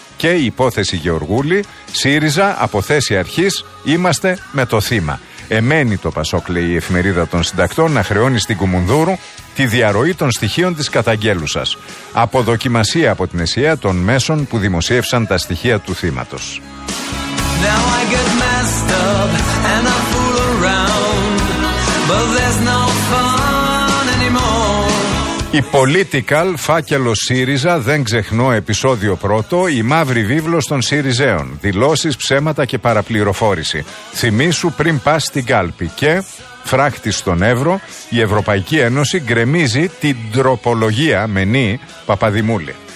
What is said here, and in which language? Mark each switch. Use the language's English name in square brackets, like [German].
[Greek] Και η υπόθεση Γεωργούλη, ΣΥΡΙΖΑ από θέση αρχής, είμαστε με το θύμα. Εμένει το Πασόκ, λέει η εφημερίδα των συντακτών, να χρεώνει στην Κουμουνδούρου τη διαρροή των στοιχείων της καταγγέλουσας. Αποδοκιμασία από την ΕΣΥΑ των μέσων που δημοσίευσαν τα στοιχεία του θύματος. [English] Now I get messed up and I fool around, but there's no fun anymore. [Greek] Η Political, φάκελο ΣΥΡΙΖΑ, δεν ξεχνώ επεισόδιο πρώτο, η μαύρη βίβλος των ΣΥΡΙΖΕΟΝ, δηλώσεις, ψέματα και παραπληροφόρηση. Θυμήσου πριν πας στην κάλπη και φράχτη στον Εύρο, η Ευρωπαϊκή Ένωση γκρεμίζει την τροπολογία με νη Παπαδημούλη.